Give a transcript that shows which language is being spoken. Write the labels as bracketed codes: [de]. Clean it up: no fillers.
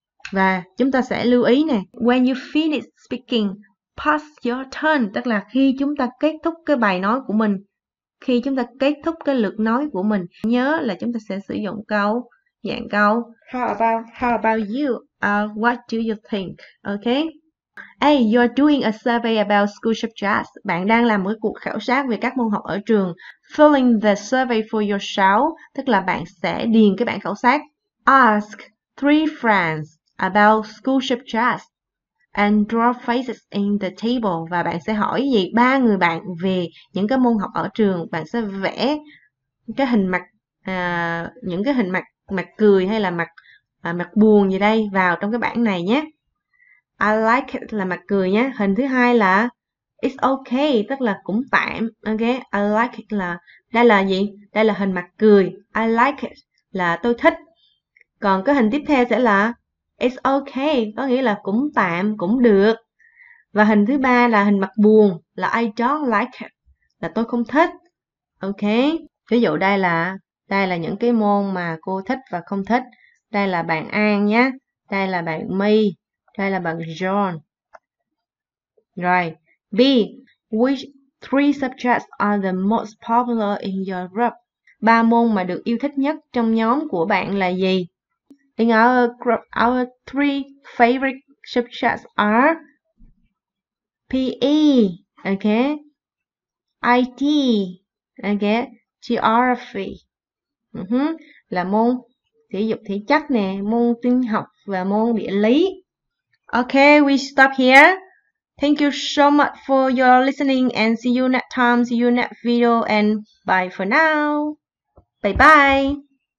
[vi] Và chúng ta sẽ lưu ý nè, [en] when you finish speaking, pass your turn, [vi] tức là khi chúng ta kết thúc cái bài nói của mình, khi chúng ta kết thúc cái lượt nói của mình, nhớ là chúng ta sẽ sử dụng câu, dạng câu [en] How about you? What do you think? Okay? Hey, you're doing a survey about school subjects. [vi] Bạn đang làm một cuộc khảo sát về các môn học ở trường. [en] Filling the survey for yourself, [vi] tức là bạn sẽ điền cái bản khảo sát. [en] Ask three friends about school subjects and draw faces in the table. [vi] Và bạn sẽ hỏi gì ba người bạn về những cái môn học ở trường. Bạn sẽ vẽ cái hình mặt, những cái hình mặt mặt cười hay là mặt mặt buồn gì đây vào trong cái bảng này nhé. [en] I like it [vi] là mặt cười nhé. Hình thứ hai là [en] it's okay, [vi] tức là cũng tạm. Okay, [en] I like it [vi] là đây là gì? Đây là hình mặt cười. [en] I like it [vi] là tôi thích. Còn cái hình tiếp theo sẽ là [en] it's okay, [vi] có nghĩa là cũng tạm, cũng được. Và hình thứ ba là hình mặt buồn là [en] I don't like it, [vi] là tôi không thích. Okay. Ví dụ đây là những cái môn mà cô thích và không thích. Đây là bạn An nhé. Đây là bạn My. Đây là bạn John. Rồi. B. [en] Which three subjects are the most popular in your group? [vi] Ba môn mà được yêu thích nhất trong nhóm của bạn là gì? [en] In our group, our three favorite subjects are PE. Okay. IT. Okay. Geography. [vi] Là môn thể dục thể chất nè, môn tin học và môn địa lý. [en] Okay, we stop here. Thank you so much for your listening and see you next time, see you next video and bye for now. Bye bye.